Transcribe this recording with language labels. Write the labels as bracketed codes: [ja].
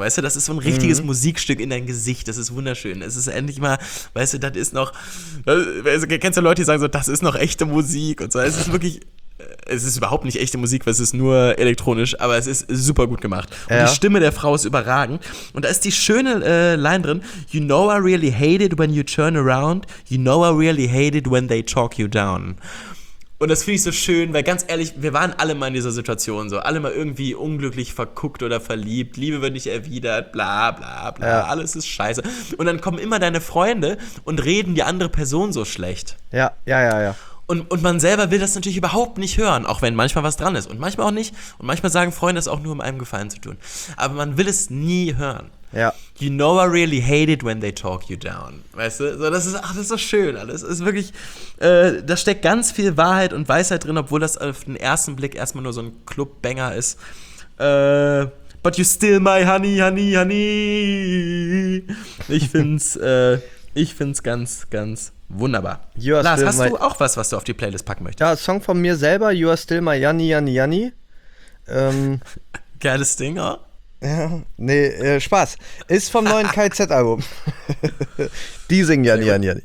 [de] Weißt du, das ist so ein richtiges Musikstück in dein Gesicht. Das ist wunderschön. Es ist endlich mal, weißt du, das ist noch. Kennst du Leute, die sagen so, das ist noch echte Musik und so. Es ist wirklich. Es ist überhaupt nicht echte Musik, weil es ist nur elektronisch, aber es ist super gut gemacht. Und ja. Die Stimme der Frau ist überragend. Und da ist die schöne Line drin. [en] You know I really hate it when you turn around. You know I really hate it when they talk you down. [de] Und das finde ich so schön, weil ganz ehrlich, wir waren alle mal in dieser Situation so. Alle mal irgendwie unglücklich verguckt oder verliebt. Liebe wird nicht erwidert, bla bla bla. Ja. Alles ist scheiße. Und dann kommen immer deine Freunde und reden die andere Person so schlecht. Ja. Und man selber will das natürlich überhaupt nicht hören, auch wenn manchmal was dran ist. Und manchmal auch nicht. Und manchmal sagen Freunde es auch nur, um einem Gefallen zu tun. Aber man will es nie hören. Ja. [en] You know I really hate it when they talk you down. [de] Weißt du? So, das ist, ach, das ist so schön alles. Es ist wirklich, da steckt ganz viel Wahrheit und Weisheit drin, obwohl das auf den ersten Blick erstmal nur so ein Club-Banger ist. [en] But you still my honey, honey, honey. [de] Ich find's ganz, ganz wunderbar. Lars, hast du auch was du auf die Playlist packen möchtest? Ja, Song von mir selber, You Are Still My Yanni, Yanni, Yanni. Geiles Ding, oh. Ja, nee, Spaß. Ist vom neuen KZ-Album. Die singen Yanni, Yanni, Yanni.